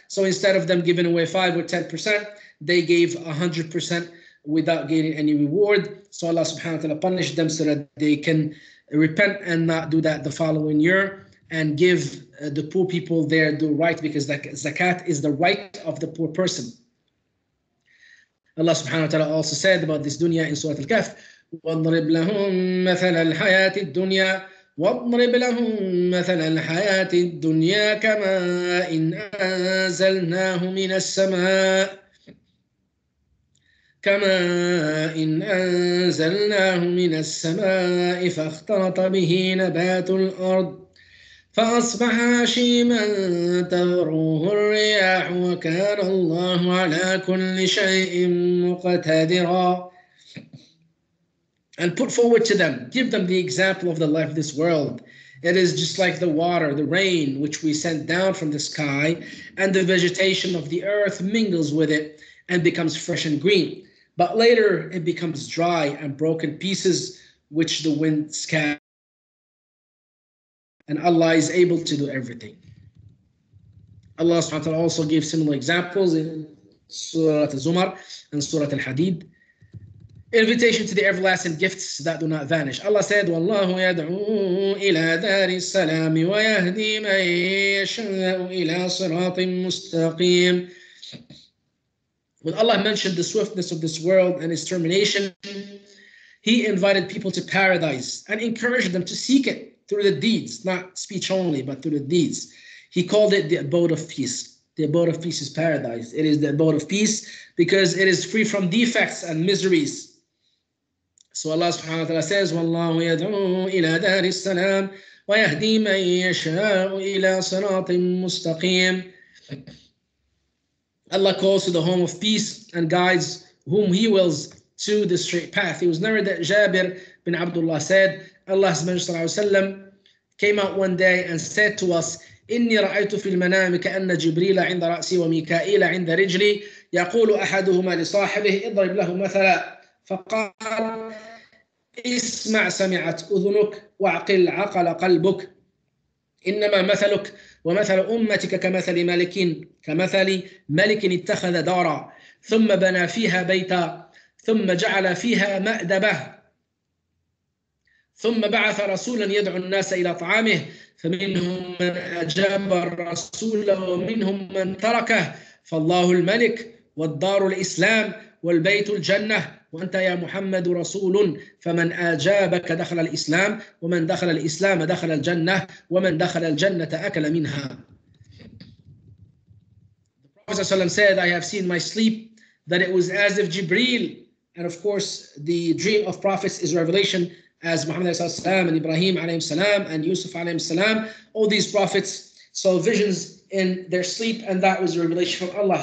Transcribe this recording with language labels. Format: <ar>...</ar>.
<en>So instead of them giving away 5 or 10%, they gave 100% without getting any reward. So Allah subhanahu wa ta'ala punished them so that they can repent and not do that the following year, and give the poor people their due right, because zakat is the right of the poor person. Allah subhanahu wa ta'ala also said about this dunya in Surah Al-Kahf,</en> <ar>وَاضْرِبْ لَهُمْ مَثَلَ الْحَيَاةِ الدُّنْيَا وَاضْرِبْ لَهُمْ مَثَلَ الْحَيَاةِ الدُّنْيَا كَمَا إِنْ أَنْزَلْنَاهُ مِنَ السَّمَاءِ كما إن أنزلناه من السماء فاختلط به نبات الأرض فأصبح هشيما تذروه الرياح وكان الله على كل شيء مقتدرا.</ar> <en>And put forward to them, give them the example of the life of this world. It is just like the water, the rain, which we sent down from the sky, and the vegetation of the earth mingles with it and becomes fresh and green. But later it becomes dry and broken pieces, which the wind scatters. And Allah is able to do everything. Allah subhanahu wa ta'ala also gave similar examples in Surah Az-Zumar and Surah Al-Hadid. Invitation to the everlasting gifts that do not vanish. Allah said,</en> <ar>وَاللَّهُ يَدْعُو إِلَىٰ دَارِ السَّلَامِ وَيَهْدِي مَنْ يَشَاءُ إِلَىٰ صِرَاطٍ مُسْتَقِيمٍ.</ar> <en>When Allah mentioned the swiftness of this world and its termination, He invited people to paradise and encouraged them to seek it through the deeds, not speech only, but through the deeds. He called it the abode of peace. The abode of peace is paradise. It is the abode of peace because it is free from defects and miseries. So Allah subhanahu wa ta'ala says,</en> <ar>وَاللَّهُ يَدْعُو إِلَىٰ دَارِ السَّلَامِ وَيَهْدِي مَنْ يَشَاءُ إِلَىٰ صِرَاطٍ مُسْتَقِيمٍ.</ar> <en>Allah calls to the home of peace and guides whom He wills to the straight path. It was narrated that Jabir bin Abdullah said, Allah's Messenger sallallahu alaihi wasallam came out one day and said to us,</en> <ar>إني رأيت في المنام كأن جبريل عند رأسي وميكائيل عند رجلي يقول أحدهما لصاحبه اضرب له مثلا فقال اسمع سمعت أذنك وعقل عقل قلبك إنما مثلك ومثل أمتك كمثل ملك اتخذ دارا ثم بنى فيها بيتا ثم جعل فيها مأدبه ثم بعث رسولا يدعو الناس إلى طعامه فمنهم من أجاب الرسول ومنهم من تركه فالله الملك والدار الإسلام والبيت الجنة وأنت يا محمد رسول فمن أجابك دخل الإسلام ومن دخل الإسلام دخل الجنة ومن دخل الجنة أكل منها.</ar> <en>The Prophet ﷺ said, I have seen my sleep that it was as if Jibreel And of course, the dream of prophets is revelation, as Muhammad alayhi salam and Ibrahim alayhi salam and Yusuf alayhi salam, all these prophets saw visions in their sleep, and that was a revelation from Allah.</en>